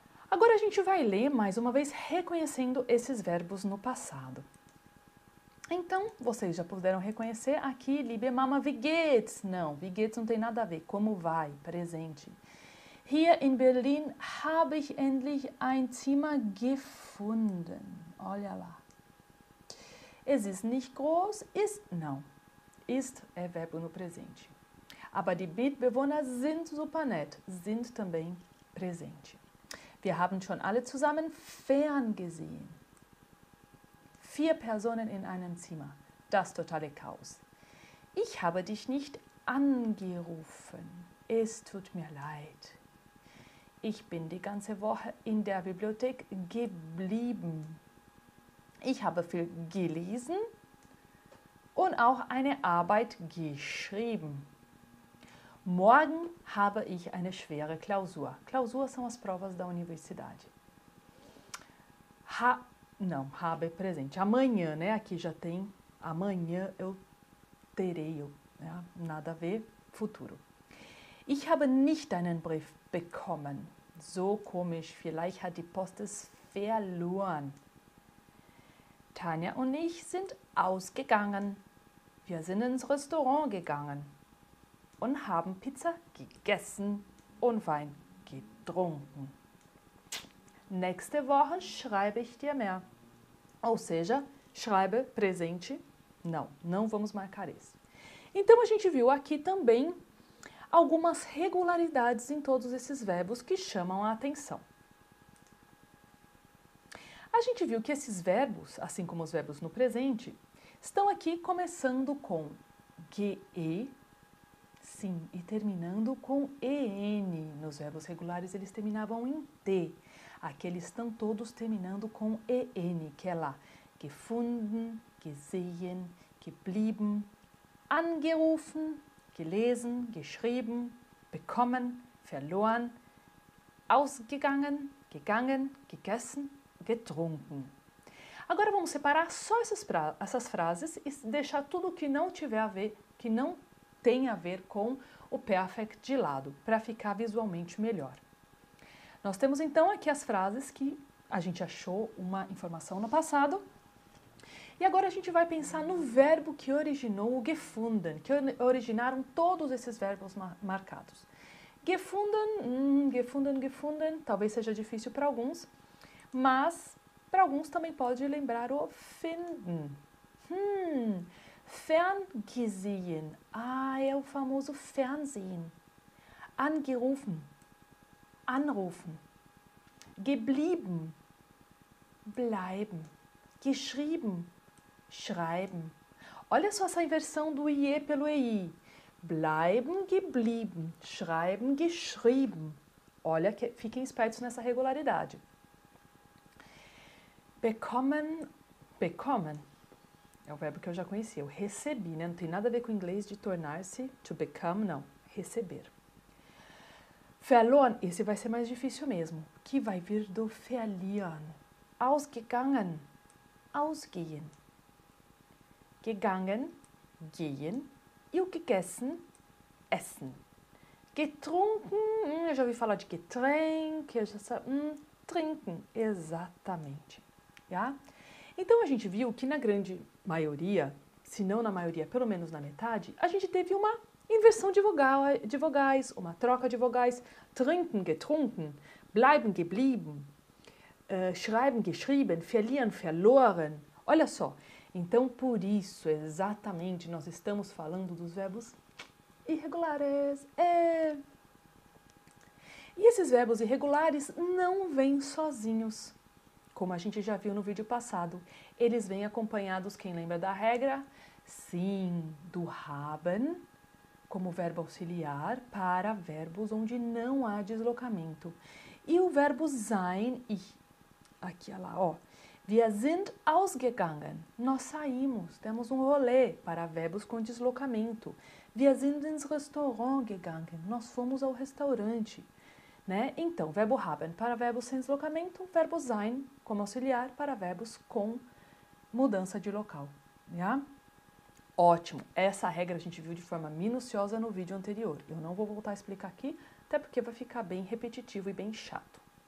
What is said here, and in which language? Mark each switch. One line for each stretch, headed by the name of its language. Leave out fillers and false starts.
Portuguese: Agora a gente vai ler mais uma vez reconhecendo esses verbos no passado. Então, vocês já puderam reconhecer aqui,
German: liebe Mama, wie geht's?
Portuguese: Não,
German: wie geht's
Portuguese: não tem nada a ver. Como vai? Presente.
German: Hier in Berlin habe ich endlich ein Zimmer gefunden.
Portuguese: Olha lá.
German: Es ist nicht groß, ist.
Portuguese: Não. Ist é verbo no presente.
German: Aber die Mitbewohner sind super nett. Sind
Portuguese: também presente.
German: Wir haben schon alle zusammen ferngesehen. Vier Personen in einem Zimmer. Das totale Chaos. Ich habe dich nicht angerufen. Es tut mir leid. Ich bin die ganze Woche in der Bibliothek geblieben. Ich habe viel gelesen und auch eine Arbeit geschrieben. Morgen habe ich eine schwere Klausur.
Portuguese: Klausur são as provas da universidade. Ha, não, habe é presente. Amanhã, né? Aqui já tem. Amanhã eu terei, né? Nada a ver. Futuro.
German: Ich habe nicht deinen Brief bekommen. So komisch. Vielleicht hat die Post es verloren. Tanja und ich sind ausgegangen. Wir sind ins Restaurant gegangen. Und haben Pizza gegessen und Wein getrunken. Nächste Woche schreibe ich dir mehr.
Portuguese: Ou seja, schreibe presente. Não, não vamos marcar isso. Então, a gente viu aqui também algumas regularidades em todos esses verbos que chamam a atenção. A gente viu que esses verbos, assim como os verbos no presente, estão aqui começando com ge. Sim, e terminando com en. Nos verbos regulares eles terminavam em t. Aqui eles estão todos terminando com en, que é lá.
German: Gefunden, gesehen, geblieben, angerufen, gelesen, geschrieben, bekommen, verloren, ausgegangen, gegangen, gegessen, getrunken.
Portuguese: Agora vamos separar só essas frases e deixar tudo que não tiver a ver, que não tem a ver com o perfect de lado, para ficar visualmente melhor. Nós temos então aqui as frases que a gente achou uma informação no passado. E agora a gente vai pensar no verbo que originou o gefunden, que originaram todos esses verbos marcados. Gefunden, gefunden, gefunden, talvez seja difícil para alguns, mas para alguns também pode lembrar o finden.
German: Ferngesehen.
Portuguese: Ah, é o famoso
German: fernsehen. Angerufen. Anrufen. Geblieben. Bleiben. Geschrieben. Schreiben.
Portuguese: Olha só essa inversão do IE pelo EI.
German: Bleiben geblieben, schreiben geschrieben.
Portuguese: Olha que fiquem espertos nessa regularidade. Bekommen é o verbo que eu já conheci, eu recebi, né? Não tem nada a ver com o inglês de tornar-se, to become, não. Receber. Verloren, esse vai ser mais difícil mesmo. Que vai vir do verlieren. Ausgegangen, ausgehen. Gegangen, gehen. E o que gegessen, essen. Getrunken, eu já ouvi falar de getränk, eu já sei. Trinken, exatamente. Já? Então a gente viu que na grande maioria, se não na maioria, pelo menos na metade, a gente teve uma inversão de vogais, uma troca de vogais.
German: Trinken, getrunken, bleiben geblieben, schreiben, geschrieben, verlieren, verloren.
Portuguese: Olha só. Então, por isso, exatamente, nós estamos falando dos verbos irregulares. É. E esses verbos irregulares não vêm sozinhos, como a gente já viu no vídeo passado. Eles vêm acompanhados, quem lembra da regra? Sim, do haben, como verbo auxiliar, para verbos onde não há deslocamento. E o verbo sein, e aqui, olha lá, ó.
German: Wir sind ausgegangen.
Portuguese: Nós saímos, demos um rolê para verbos com deslocamento.
German: Wir sind ins Restaurant gegangen.
Portuguese: Nós fomos ao restaurante, né? Então, verbo haben para verbos sem deslocamento, verbo sein como auxiliar para verbos com mudança de local, já? Ótimo. Essa regra a gente viu de forma minuciosa no vídeo anterior. Eu não vou voltar a explicar aqui, até porque vai ficar bem repetitivo e bem chato.